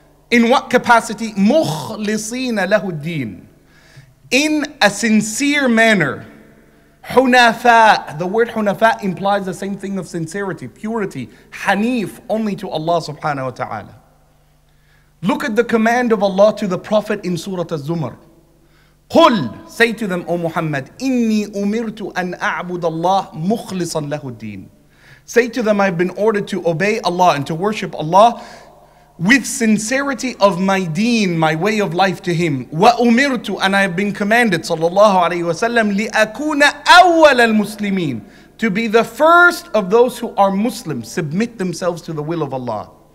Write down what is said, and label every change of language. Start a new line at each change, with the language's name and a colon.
English: In what capacity?
Arabic: مُخْلِصِينَ لَهُ الدِّينَ,
English: in a sincere manner. حُنَفَاء, the word حُنَفَاء implies the same thing of sincerity, purity, حَنِيف, only to Allah subhanahu wa ta'ala. Look at the command of Allah to the Prophet in Surah Az-Zumar.
Arabic: قُلْ,
English: say to them, O Muhammad,
Arabic: إِنِّي أُمِرْتُ أَنْ أَعْبُدَ اللَّهِ مُخْلِصًا لَهُ الدِّينَ.
English: Say to them, I've been ordered to obey Allah and to worship Allah with sincerity of my deen, my way of life to Him. وَأُمِرْتُ, and I have been commanded, sallallahu alayhi wasallam,
Arabic: لِأَكُونَ أَوَّلَ الْمُسْلِمِينَ,
English: to be the first of those who are Muslim, submit themselves to the will of Allah.